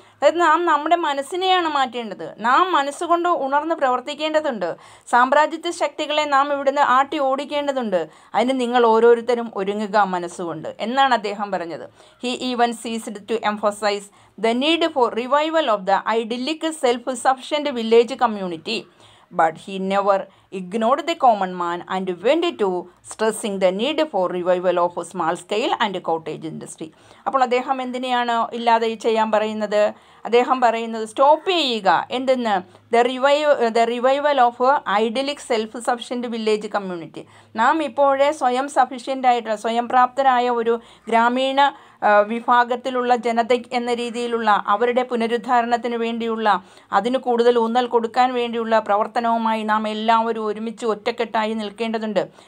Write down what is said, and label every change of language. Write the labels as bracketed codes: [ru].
[ml] അതായത് നാം നമ്മുടെ മനസ്സിനെയാണ് മാറ്റേണ്ടത്. നാം മനസ്സുകൊണ്ട് ഉണർന്ന് പ്രവർത്തിക്കേണ്ടതുണ്ട്. സാമ്രാജ്യത്വ ശക്തികളെ നാം ഇവിടുന്ന് ആട്ടി ഓടിക്കേണ്ടതുണ്ട്. അതിന് നിങ്ങൾ ഓരോരുത്തരും ഒരുങ്ങുക മനസ്സുകൊണ്ട് എന്നാണ് അദ്ദേഹം പറഞ്ഞത്. [en] He even ceased to emphasize the need for revival of the idyllic self sufficient village community. But he never ignored the common man and went to stressing the need for revival of small scale and cottage industry. [ml] അപ്പോൾ അദ്ദേഹം എന്തിനെയാണ് ഇല്ലാതെ ചെയ്യാൻ പറയുന്നത്? അദ്ദേഹം പറയുന്നത് stop ചെയ്യുക എന്തെന്ന്, [en] The revival of idyllic self sufficient village community. [ml] നാം ഇപ്പോഴേ സ്വയം സഫിഷ്യൻ്റായിട്ടുള്ള, സ്വയം പ്രാപ്തരായ ഒരു ഗ്രാമീണ വിഭാഗത്തിലുള്ള ജനത എന്ന രീതിയിലുള്ള അവരുടെ പുനരുദ്ധാരണത്തിന് വേണ്ടിയുള്ള, അതിന് കൂടുതൽ ഊന്നൽ കൊടുക്കാൻ വേണ്ടിയുള്ള പ്രവർത്തനവുമായി നാം എല്ലാവരും ഒരുമിച്ച് ഒറ്റക്കെട്ടായി നിൽക്കേണ്ടതുണ്ട്.